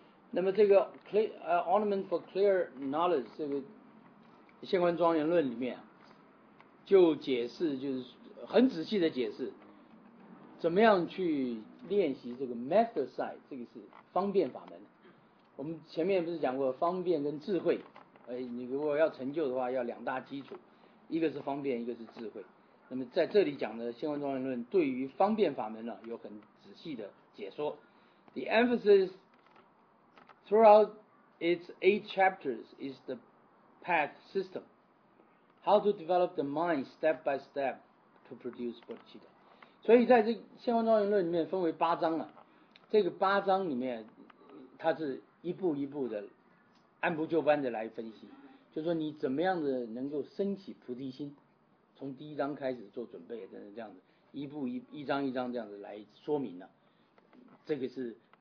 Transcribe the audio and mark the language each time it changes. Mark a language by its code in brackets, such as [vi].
[zh] 那么这个 [en] ornament for clear knowledge [zh] 这个现观庄严论里面就解释，就是很仔细的解释怎么样去练习这个 [en] method side， [zh] 这个是方便法门。我们前面不是讲过方便跟智慧，你如果要成就的话要两大基础，一个是方便，一个是智慧。那么在这里讲的现观庄严论对于方便法门呢有很仔细的解说。 [en] The emphasisThroughout its eight chapters is the path system, how to develop the mind step by step to produce bodhicitta. [zh] 所以在这《现观庄严论》里面分为八章啊，这个八章里面，它是一步一步的，按部就班的来分析，就是说你怎么样的能够升起菩提心，从第一章开始做准备，等等这样子，一章一章这样子来说明呢、啊，这个是。